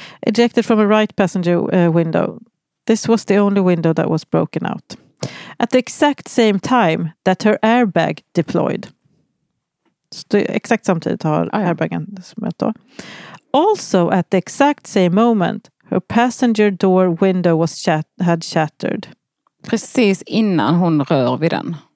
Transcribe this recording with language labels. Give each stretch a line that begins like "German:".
English: Ejected from a right passenger window. This was the only window that was broken out. At the exact same time that her airbag deployed.
Swedish: Så exakt samtidigt har airbagen smält då.
English: Also at the exact same moment her passenger door window was had shattered.
Swedish: Precis innan hon rör vid den.